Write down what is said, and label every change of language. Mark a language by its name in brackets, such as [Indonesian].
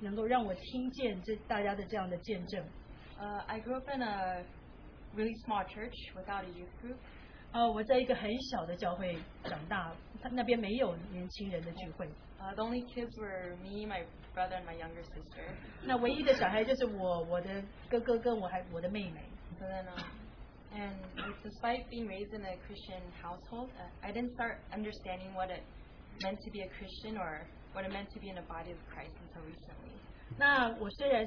[Chinese] 我就是要让大家知道我非常的感激能够让我听见大家的这样的见证。 [English] I grew up in a really small church without a youth group. [Chinese] 我在一个很小的教会长大，那边没有年轻人的聚会。 [English] The only kids were me, my brother, and my younger sister. [Chinese] 那唯一的小孩就是我的哥哥跟我的妹妹。 [English] And despite being raised in a Christian household, I didn't start understanding what it meant to be a Christian or what it meant to be in the body of Christ until recently.